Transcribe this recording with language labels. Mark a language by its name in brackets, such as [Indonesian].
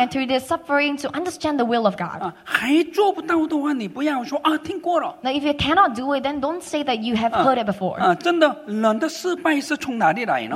[English] And through this suffering, to understand the will of God. [Chinese] 还做不到的话，你不要说听过了。 [English] Now, if you cannot do it, then don't say that you have heard it before. [Chinese] 真的，人的失败是从哪里来呢?